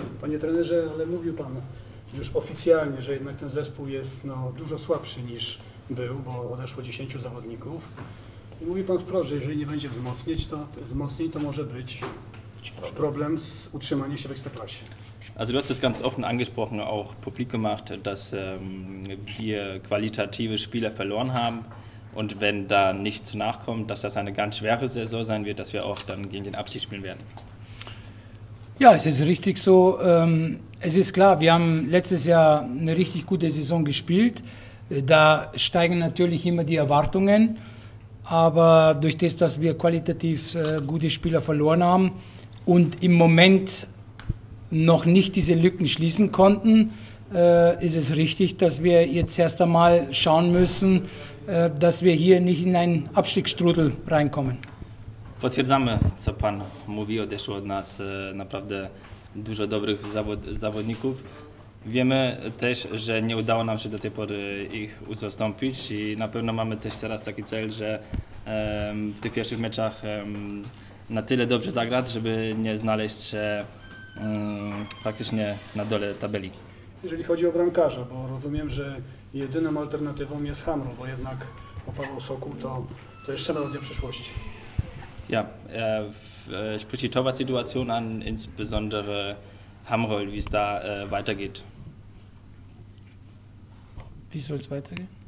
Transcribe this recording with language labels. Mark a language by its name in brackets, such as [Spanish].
[Polish] Panie trenerze, ale mówił pan już oficjalnie, że jednak ten zespół jest no, dużo słabszy niż był, bo odeszło 10 zawodników. Mówi pan wprost, że jeżeli nie będzie wzmocnień, to może być problem z utrzymaniem się w Ekstraklasie. [German] Also du hast es ganz offen angesprochen, auch publik gemacht, dass wir qualitative Spieler verloren haben und wenn da nichts nachkommt, dass das eine ganz schwere Saison sein wird, dass wir auch dann gegen den Abstieg spielen werden. Ja, es ist richtig so. Es ist klar, wir haben letztes Jahr eine richtig gute Saison gespielt. Da steigen natürlich immer die Erwartungen, aber durch das, dass wir qualitativ gute Spieler verloren haben und im Moment noch nicht diese Lücken schließen konnten, ist es richtig, dass wir jetzt erst einmal schauen müssen, dass wir hier nicht in einen Abstiegsstrudel reinkommen. [Polish] Potwierdzamy, co pan mówi, odeszło od nas naprawdę dużo dobrych zawodników. Wiemy też, że nie udało nam się do tej pory ich uzastąpić i na pewno mamy też teraz taki cel, że w tych pierwszych meczach na tyle dobrze zagrać, żeby nie znaleźć się praktycznie na dole tabeli. Jeżeli chodzi o bramkarza, bo rozumiem, że jedyną alternatywą jest Hamro, bo jednak o Paweł Sokół to jeszcze na dnie przyszłości. [German] Ja, sprich die Torwart-Situation an, insbesondere Hamro, wie es da weitergeht. Wie soll es weitergehen?